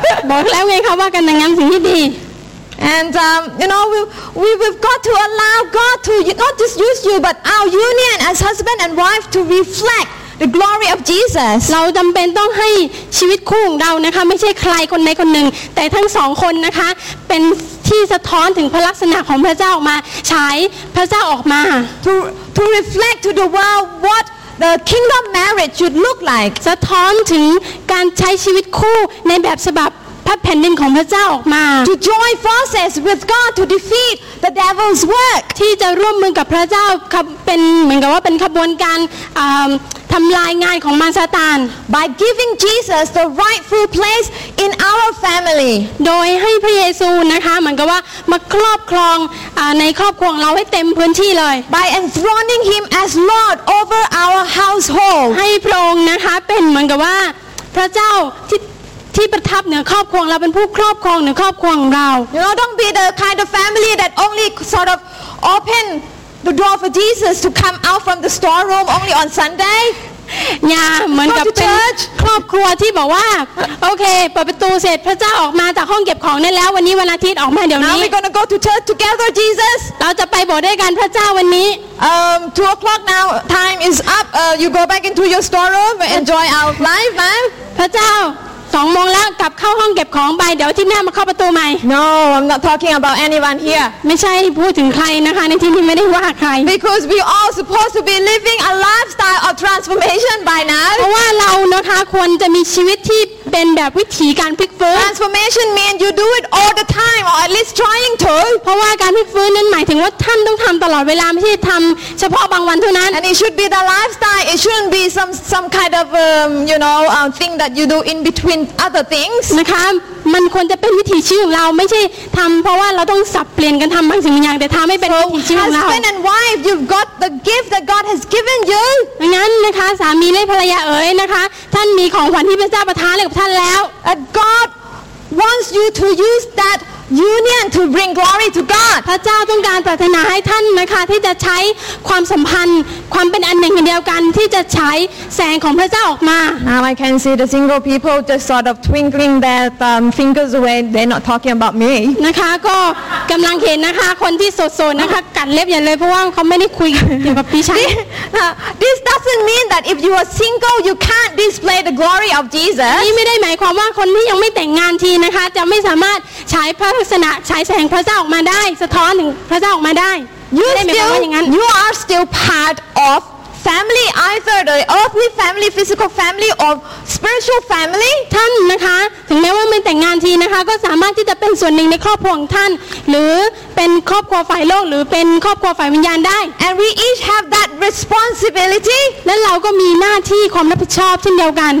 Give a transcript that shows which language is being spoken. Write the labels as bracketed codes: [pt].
[th] บอกแล้วไงคะว่ากันงานสิ่งที่ดี [en] And you know we've got to allow God to not just use you but our union as husband and wife to reflect the glory of Jesus. [th] เราจำเป็นต้องให้ชีวิตคู่ของเรานะคะไม่ใช่ใครคนใดคนหนึ่งแต่ทั้งสองคนนะคะเป็นที่สะท้อนถึงพระลักษณะของพระเจ้าออกมาฉายพระเจ้าออกมา [en] to reflect to the world what the kingdom marriage should look like. [th] สะท้อนถึงการใช้ชีวิตคู่ในแบบฉบับพระแผ่นดินของพระเจ้าออกมา [en] to join forces with God to defeat the devil's work [th] ที่จะร่วมมือกับพระเจ้าเป็นเหมือนกับว่าเป็นขบวนการทำลายงานของมารซาตาน [en] by giving Jesus the rightful place in our family [th] โดยให้พระเยซูนะคะเหมือนกับว่ามาครอบครองในครอบครัวเราให้เต็มพื้นที่เลย [en] by enthroning him as Lord over our household [th] ให้พระองค์นะคะเป็นเหมือนกับว่าพระเจ้าที่ประทับเหนือครอบครัวเราเป็นผู้ครอบครองเหนือครอบครัวของเรา [en] You know, don't be the kind of family that only sort of open the door for Jesus to come out from the storeroom only on Sunday [th] อย่าเหมือนกับเป็นครอบครัวที่บอกว่าโอเคเปิดประตูเสร็จพระเจ้าออกมาจากห้องเก็บของนั่นแล้ววันนี้วันอาทิตย์ออกมาเดี๋ยวนี้ [en] Now we're gonna go to church together Jesus [th] เราจะไปโบสถ์ด้วยกันพระเจ้าวันนี้ [en] 2 o'clock now time is up you go back into your storeroom enjoy our life man [th] พระเจ้าสองโมงแล้วกลับเข้าห้องเก็บของไปเดี๋ยวที่หน้ามาเข้าประตูใหม่ [en] No I'm not talking about anyone here [th] ไม่ใช่พูดถึงใครนะคะในที่นี้ไม่ได้ว่าใคร [en] Because we all supposed to be living a lifestyle of transformation by now [th] เพราะว่าเรานะคะควรจะมีชีวิตที่เป็นแบบวิถีการพลิกฟื้น [en] Transformation means you do it all the time or at least trying to [th] เพราะว่าการพลิกฟื้นนั้นหมายถึงว่าท่านต้องทำตลอดเวลาไม่ใช่ทำเฉพาะบางวันเท่านั้น [en] And it should be the lifestyle it shouldn't be some kind of you know thing that you do in betweenother things [th] นะคะมันควรจะเป็นวิถีชีวิตของเราไม่ใช่ทําเพราะว่าเราต้องสับเปลี่ยนกันทําบางสิ่งบางอย่างแต่ทําให้เป็นวิถีชีวิตของเรา [en] husband and wife you've got the gift that God has given you [th] งั้นนะคะสามีและภรรยาเอ๋ยนะคะท่านมีของขวัญที่พระเจ้าประทานให้กับท่านแล้ว [en] God wants you to use thatUnion to bring glory to God. [th] พระเจ้าต้องการปรารถนาให้ท่านนะคะที่จะใช้ความสัมพันธ์ความเป็นอันหนึ่งอันเดียวกันที่จะใช้แสงของพระเจ้าออกมา [en] Now I can see the single people just sort of twinkling their fingers away. They're not talking about me. [th] นะคะก็กำลังเห็นนะคะคนที่โสดๆนะคะกัดเล็บอย่างเลยเพราะว่าเขาไม่ได้คุยกับพี่ชาย [en] This doesn't mean that if you are single you can't display the glory of Jesus. [th] นี่ไม่ได้หมายความว่าคนที่ยังไม่แต่งงานทีนะคะจะไม่สามารถใช้พระลักษณะฉายแสงพระเจ้าออกมาได้สะท้อนถึงพระเจ้าออกมาได้ [en] You still you are still part of family either the earthly family physical family or spiritual family [th] ท่านนะคะถึงแม้ว่าไม่แต่งงานทีนะคะก็สามารถที่จะเป็นส่วนหนึ่งในครอบครัวของท่านหรือเป็นครอบครัวฝ่ายโลกหรือเป็นครอบครัวฝ่ายวิญญาณได้ [en] And we each have that responsibility [th] และเราก็มีหน้าที่ความรับผิดชอบเช่นเดียวกัน